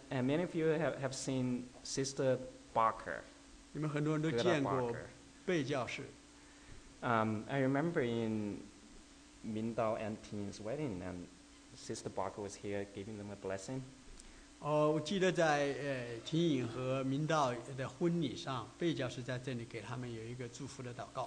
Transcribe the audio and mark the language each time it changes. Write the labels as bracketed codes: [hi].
[en] And many of you have seen Sister Barker. [zh] 你们很多人都见过贝教士。 [en] I remember in Min Dao and Tin's wedding, and Sister Barker was here giving them a blessing. [zh] 我记得在庭颖和明道的婚礼上，贝教师在这里给他们有一个祝福的祷告。